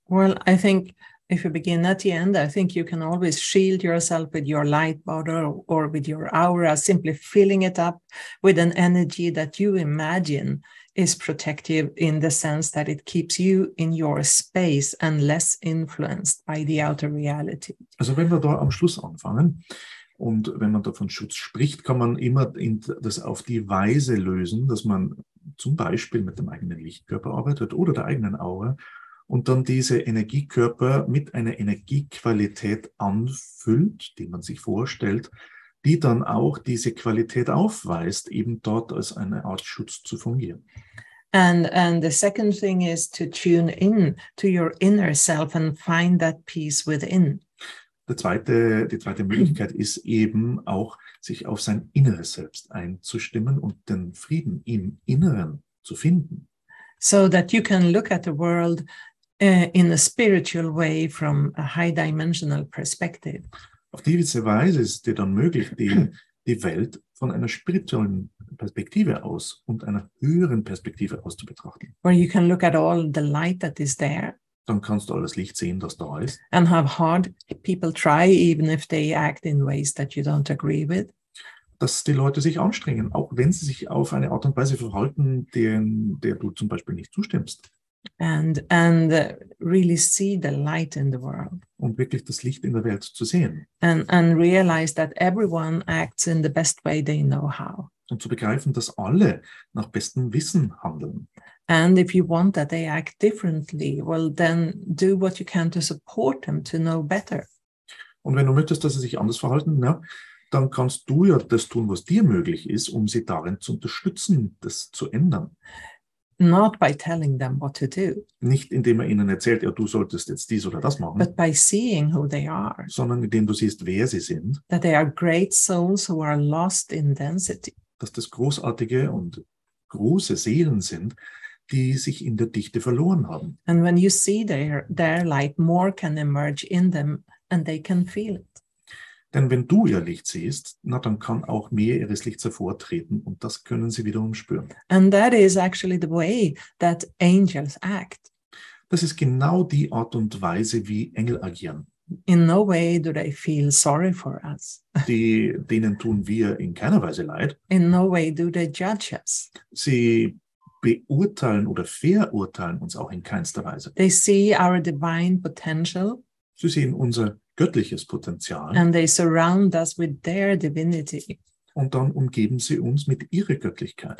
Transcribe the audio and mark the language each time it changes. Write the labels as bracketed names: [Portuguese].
[English] Well, I think if you begin at the end, I think you can always shield yourself with your light body or with your aura, simply filling it up with an energy that you imagine is protective in the sense that it keeps you in your space and less influenced by the outer reality. [German] Also wenn wir da am Schluss anfangen, Und wenn man davon Schutz spricht, kann man immer das auf die Weise lösen, dass man zum Beispiel mit dem eigenen Lichtkörper arbeitet oder der eigenen Aura und dann diese Energiekörper mit einer Energiequalität anfüllt, die man sich vorstellt, die dann auch diese Qualität aufweist, eben dort als eine Art Schutz zu fungieren. [English] And the second thing is to tune in to your inner self and find that peace within. [German] Die zweite Möglichkeit ist eben auch, sich auf sein inneres Selbst einzustimmen und den Frieden im Inneren zu finden. [English] So that you can look at the world in a spiritual way from a high-dimensional perspective. [German] Auf diese Weise ist dir dann möglich, die Welt von einer spirituellen Perspektive aus und einer höheren Perspektive aus zu betrachten. [English] Where you can look at all the light that is there. [German] Dann kannst du alles Licht sehen, das da ist. [English] And have hard people try, even if they act in ways that you don't agree with. [German] Dass die Leute sich anstrengen, auch wenn sie sich auf eine Art und Weise verhalten, der du zum Beispiel nicht zustimmst. [English] And really see the light in the world. [German] Und wirklich das Licht in der Welt zu sehen. [English] And realize that everyone acts in the best way they know how. [German] Und zu begreifen, dass alle nach bestem Wissen handeln. [English] And if you want that they act differently, well then do what you can to support them to know better. [German] Und wenn du möchtest, dass sie sich anders verhalten, ja, dann kannst du ja das tun, was dir möglich ist, um sie darin zu unterstützen, das zu ändern. [English] Not by telling them what to do. [German] Nicht indem er ihnen erzählt, ja, du solltest jetzt dies oder das machen. [English] But by seeing who they are. [German] Sondern indem du siehst, wer sie sind. [English] That they are great souls who are lost in density. [German] Dass das großartige und große Seelen sind, die sich in der Dichte verloren haben. [English] And when you see their light, more can emerge in them and they can feel it. [German] Denn wenn du ihr Licht siehst, na, dann kann auch mehr ihres Lichts hervortreten und das können sie wiederum spüren. [English] And that is actually the way that angels act. [German] Das ist genau die Art und Weise, wie Engel agieren. [English] In no way do they feel sorry for us. [German] Denen tun wir in keiner Weise leid. [English] In no way do they judge us. [German] Sie beurteilen oder verurteilen uns auch in keinster Weise. [English] They see our divine potential. [German] Sie sehen unser göttliches Potenzial. [English] And they surround us with their divinity. [German] Und dann umgeben sie uns mit ihrer Göttlichkeit.